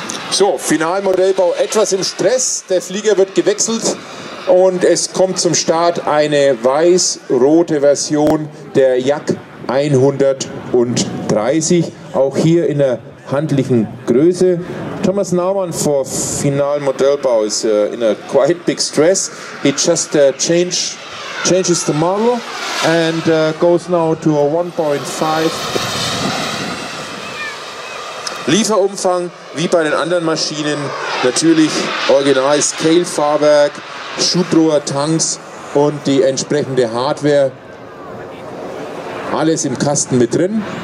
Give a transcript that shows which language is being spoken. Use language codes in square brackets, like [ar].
[de] So, Finalmodellbau etwas im Stress, der Flieger wird gewechselt und es kommt zum Start eine weiß-rote Version der JAK 130, auch hier in der handlichen Größe. [en] Thomas Naumann for Finalmodellbau is in a quite big stress. He just changes the model and goes now to a 1.5. [de] Lieferumfang. Wie bei den anderen Maschinen natürlich original Scale-Fahrwerk, Schubrohr-Tanks und die entsprechende Hardware. Alles im Kasten mit drin.